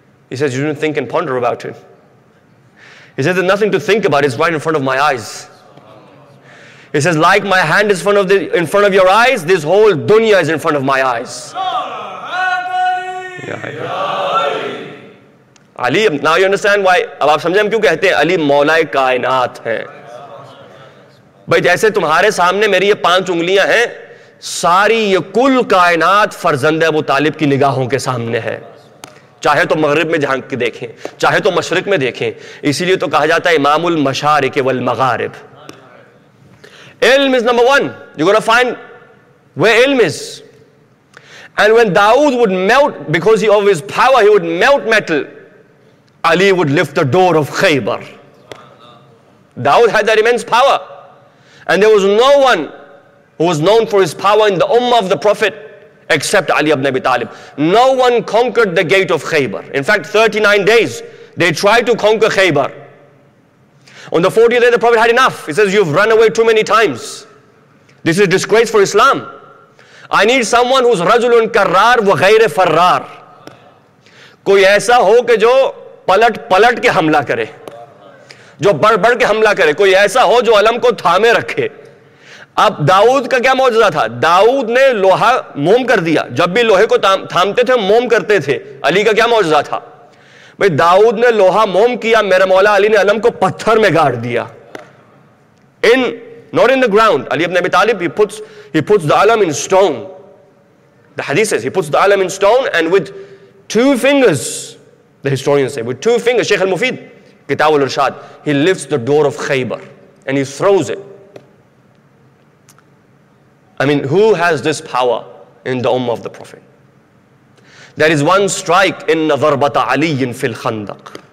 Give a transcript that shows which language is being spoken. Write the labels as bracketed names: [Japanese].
[English] He says, you didn't think and ponder about it. He says, there's nothing to think about. It's right in front of my eyes. He says, like my hand is in front of your eyes, this whole dunya is in front of my eyes. Ali, now you understand why. [Hindi] Ab aap samjhe hum kyun kehte hain Ali maulae kainat hai. भाई जैसे तुम्हारे सामने मेरी ये पांच उंगलियां हैं, सारी ये कुल कायनात फरजंदे अबू तालिब की निगाहों के सामने है. चाहे तो मगरिब में झांक के देखें, चाहे तो मशरिक में देखें. इसीलिए तो कहा जाता है [Arabic] इमामुल मशारिक वल मगारिब. [English] इल्म is number one. You got to find where इल्म is. And when दाऊद would melt because he of his power he would melt metal, अली would lift the door of खैबर. दाऊद had that immense power. And there was no one who was known for his power in the ummah of the Prophet except Ali ibn Abi Talib. No one conquered the gate of Khaybar. In fact, 39 days, they tried to conquer Khaybar. On the 40th day, the Prophet had enough. He says, you've run away too many times. This is a disgrace for Islam. I need someone who's [Arabic] rajulun karrar wa ghayre farrar. [Hindi] Koi aisa ho ke jo palat palat ke hamla kare. जो बढ़ बढ़ के हमला करे. कोई ऐसा हो जो अलम को थामे रखे. अब दाऊद का क्या मौजजा था? दाऊद ने लोहा मोम कर दिया. जब भी लोहे को थामते थे मोम करते थे. अली का क्या मौजजा था? भाई दाऊद ने लोहा मोम किया, मेरे मौला अली ने अलम को पत्थर में गाड़ दिया. [English] In not in the ground. Ali ibn Abi Talib he puts the अलम in stone. The हदीस says he puts the अलम in stone and with two fingers. The historian says with two fingers Sheikh al Mufid Kitab al-Irshad, he lifts the door of Khaybar and he throws it. I mean, who has this power in the ummah of the Prophet? There is one strike in [Arabic] Dharbata Aliyin fil Khandaq.